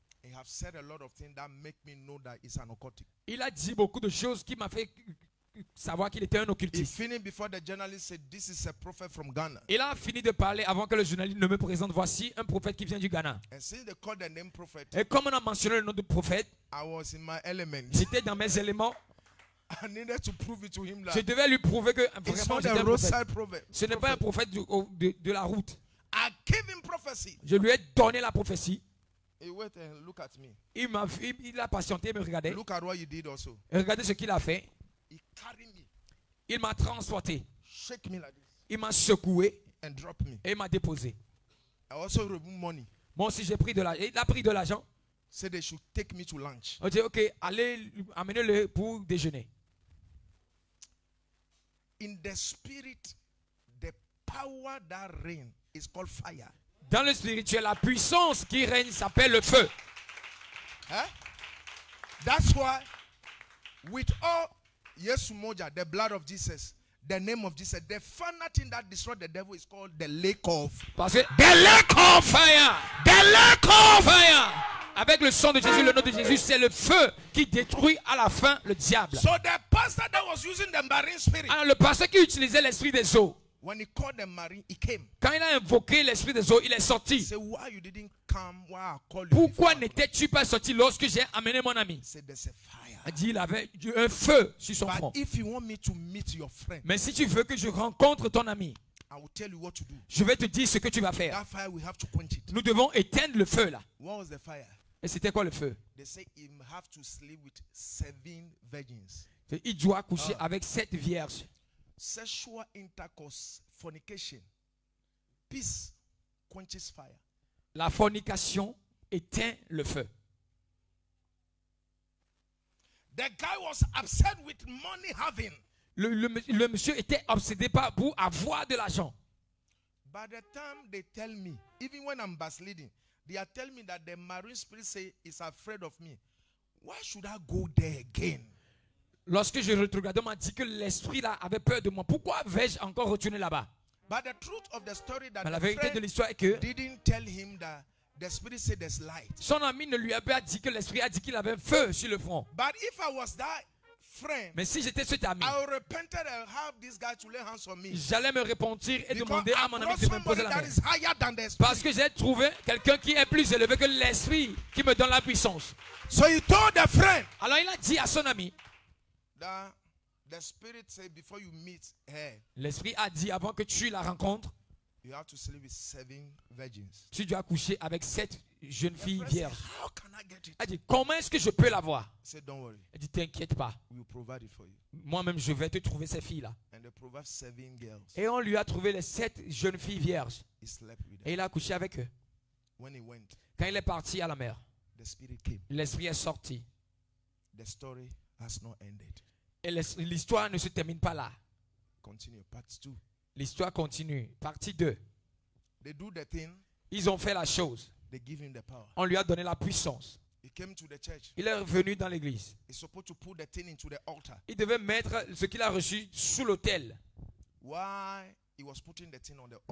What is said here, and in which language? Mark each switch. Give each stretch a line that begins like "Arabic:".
English: He have said a lot of things that make me know that he's an occultist.
French: Il a dit beaucoup de choses qui m'a fait savoir qu'il était un occultiste.
English: He finished before the journalist said, "This is a prophet from Ghana."
French: Il a fini de parler avant que le journaliste ne me présente. Voici un prophète qui vient du Ghana.
English: And since they called the name prophet,
French: et comme on a mentionné le nom de prophète,
English: I was in my element.
French: J'étais dans mes éléments.
English: I needed to prove it to him, like,
French: je devais lui prouver que vraiment j'étais un prophète. Ce n'est pas un prophète de la route.
English: I gave him prophecy.
French: Je lui ai donné la prophétie.
English: He went and look at me.
French: Il a patienté et me regardait.
English: Look at what you did also.
French: Regardez ce qu'il a fait.
English: He carried me.
French: Il m'a transporté.
English: Shake me like this.
French: Il m'a secoué
English: and drop me.
French: Et il m'a déposé.
English: I also removed money.
French: Moi aussi j'ai pris de l'argent. Il a pris de l'argent.
English: Said they should take me to lunch.
French: On dit ok, allez amenez-le pour déjeuner.
English: In the spirit, the power that reigns is called fire.
French: Dans le spirituel, la puissance qui règne s'appelle le feu. Hein?
English: That's why, with all yes moja, the blood of Jesus, the name of Jesus, the final thing that destroyed the devil is called the lake of.
French: Parce que
English: the lake of fire, the lake of fire.
French: Avec le sang de Jésus, le nom de Jésus, c'est le feu qui détruit à la fin le diable.
English: So the pastor that was using the marine spirit.
French: Alors le pasteur qui utilisait l'esprit des eaux.
English: When he called the marine, he came.
French: Quand il a invoqué l'esprit des eaux, il est sorti.
English: He said, why you didn't come while I called you?
French: Pourquoi n'étais-tu pas sorti lorsque j'ai amené mon ami?
English: He said, there's a fire.
French: Il a dit, il avait un feu sur son
English: but
French: front.
English: If you want me to meet your friend,
French: mais si tu veux que je rencontre ton ami,
English: I will tell you what to do.
French: Je vais te dire ce que tu vas faire.
English: That fire, we have to quench it.
French: Nous devons éteindre le feu là.
English: What was the fire?
French: Et c'était quoi le feu?
English: They say he have to sleep with seven virgins.
French: Il doit coucher avec sept vierges.
English: Sexual intercourse, fornication, peace quenches fire.
French: La fornication éteint le feu.
English: The guy was upset with money having.
French: Le monsieur était obsédé par pour avoir de l'argent.
English: By the time they tell me, even when I'm backsliding. They are telling me that the marine spirit say is afraid of me. Why should I go there again?
French: Lorsque je retrouve, on m'a dit que l'esprit là avait peur de moi. Pourquoi vais-je encore retourner là-bas?
English: But the truth of the story that
French: Mais la vérité de l'histoire est que
English: didn't tell him that the spirit said there's light.
French: Son ami ne lui a pas dit que l'esprit a dit qu'il avait feu sur le front.
English: But if I was that friend,
French: Mais si j'étais cet ami,
English: I would repent and have this guy to lay hands on me.
French: J'allais me repentir et
English: Because
French: demander
English: I
French: à mon ami de me poser la main.
English: Is higher than the spirit.
French: Parce que j'ai trouvé quelqu'un qui est plus élevé que l'esprit qui me donne la puissance.
English: So he told the friend,
French: Alors il a dit à son ami
English: that the spirit said before you meet her,
French: l'esprit a dit avant que tu la rencontres
English: you have to sleep with seven virgins.
French: Tu dois coucher avec sept jeunes filles vierges.
English: How can I get it?
French: Elle dit comment est-ce que je peux l'avoir?
English: Said, don't worry.
French: Elle dit t'inquiète pas,
English: we'll provide it for you.
French: Moi-même je vais te trouver ces filles-là.
English: And they provide seven girls.
French: Et on lui a trouvé les sept jeunes filles vierges.
English: He slept with them.
French: Et il a couché avec eux.
English: When he went,
French: Quand il est parti à la mer,
English: the spirit came.
French: L'esprit est sorti.
English: The story has not ended.
French: Et l'histoire ne se termine pas là.
English: Continue, part two.
French: L'histoire continue. Partie 2.
English: They do the thing.
French: Ils ont fait la chose.
English: They give him the power.
French: On lui a donné la puissance.
English: He came to the church.
French: Il est revenu dans l'église.
English: He's supposed to put the thing into the altar.
French: Il devait mettre ce qu'il a reçu sous l'autel.
English: Why he was putting the thing on the altar?